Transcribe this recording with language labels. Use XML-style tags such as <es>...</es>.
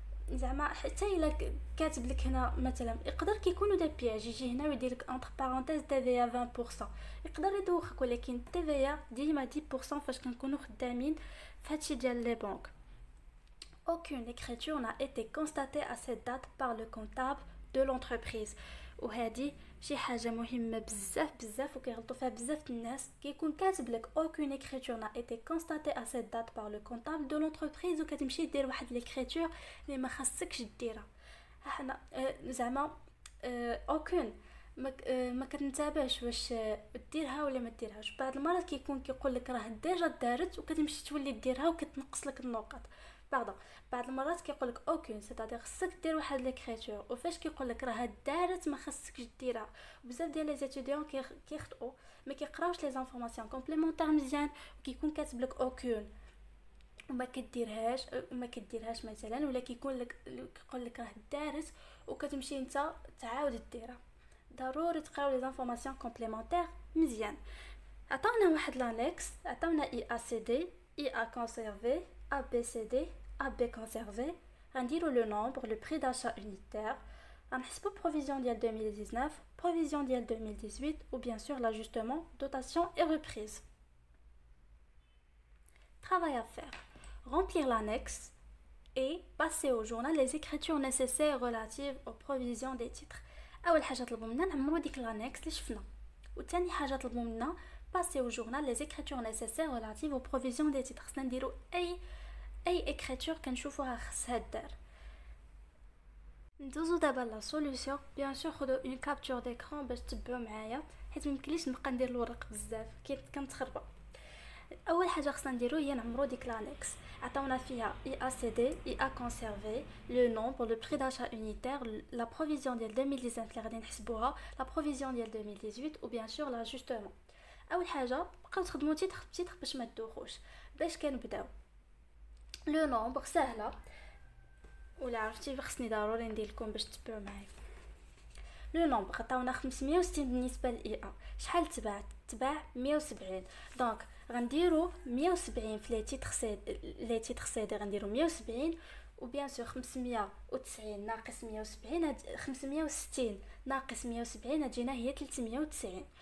<ar>زعما حتى الا كاتب لك هنا مثلا يقدر كيكونوا دي بياج يجي هنا ويدير لك انتر بارونتيز تي في 20% يقدر يدوخك ولكن تي في ديما 10% فاش كنكونوا خدامين فهادشي ديال لي بانك.</ar> <fr>Aucune écriture n'a été constatée à cette date par le comptable de l'entreprise.</fr> <ar>وهادي شي حاجه مهمه بزاف بزاف وكيغلطوا فيها بزاف الناس كيكون كاتب لك</ar> <fr>aucune écriture n'a été constatée à cette date par le comptable de l'entreprise</fr> <ar>وكتمشي دير واحد ليكريتور اللي ما خاصكش ديرها حنا زعما</ar> <fr>aucune</fr> <ar>ما كنتابعش واش ديرها ولا ما ديرهاش. بعض المرات كيكون كيقول لك راه ديجا دارت وكتمشي تولي ديرها وكتنقص لك النقاط.</ar> <fr>Pardon.</fr> <ar>بعض المرات كيقول لك اوكين سيتادير خصك دير واحد ليكريتور وفاش كيقول لك راه دارت ما خصكش ديرها. بزاف ديال لي ستوديون كيخطئوا ما كيقراوش لي زانفورماسيون كومبليمونتير مزيان وكيكون كاتب لك اوكين وما كديرهاش مثلا ولا كيكون لك كيقول لك راه دارت وكتمشي انت تعاود ديرها. ضروري تقراو لي زانفورماسيون كومبليمونتير مزيان. عطاونا واحد لانكس عطاونا اي ا سي دي اي ا كونسيرفي</ar> <fr>ABCD, AB conservé, indique le nombre, le prix d'achat unitaire, Principaux provisions d'IEL 2019, provisions d'IEL 2018 ou bien sûr l'ajustement, dotation et reprise. Travail à faire. Remplir l'annexe et passer au journal les écritures nécessaires relatives aux provisions des titres.</fr> <ar>أول حاجة طلبوا منا نعملوا ديك الانكس اللي شفنا وثاني حاجة طلبوا منا</ar> <fr>passer au journal les écritures nécessaires relatives aux provisions des titres.</fr> <ar>خصنا نديروا اي</ar> <fr>écriture</fr> <ar>كنشوفوها خصها دار. ندوزو دابا لا سوليسيون. بيان سور خدو اون كابتور ديكران باش تبعو معايا حيت ميمكنليش نبقى ندير الورق بزاف كنتخربق. اول حاجة خصنا نديرو هي نعمرو ديك الانكس. عطاونا فيها</ar> <fr>IACD, IA conservé, le nombre, le prix d'achat unitaire, la provision</fr> <ar>ديال</ar> <fr>2019</fr> <ar>اللي غادي نحسبوها,</ar> <fr>la provision ديال 2018 ou bien sûr l'ajustement.</fr> <ar>اول حاجة بقاو تخدمو تيتر بتيتر باش ما تدوخوش. باش كنبداو لو نومبر سهلة ولا عرفتي خصني ضروري ندير لكم باش تبعو معايا. لو نومبر عطاونا 560 بالنسبة لل IA. شحال تباع؟ تباع 170. دونك غنديرو 170 في لي تيتر سيدي غنديرو 170 وبيان سور 590 ناقص 170 560 ناقص 170 جينا هي 390.</ar>